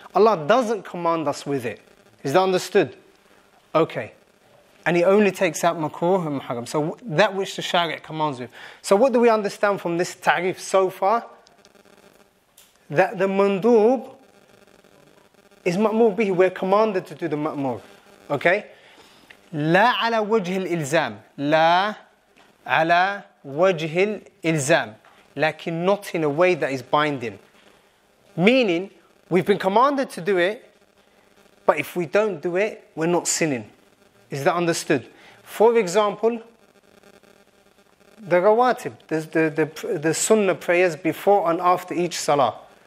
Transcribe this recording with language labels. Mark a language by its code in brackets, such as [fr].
[en] Allah doesn't command us with it. Is that understood? Okay. And he only takes out makruh and haram. So that which the shari' commands you. So what do we understand from this ta'rif so far? That the mandub is ma'mur bihi. We're commanded to do the ma'mur. Okay? [ar] لا على وجه الإلزام لا على وجه الإلزام لكن [en] not in a way that is binding. Meaning, we've been commanded to do it, but if we don't do it, we're not sinning. Is that understood? For example, the rawatib, the sunnah prayers before and after each salah.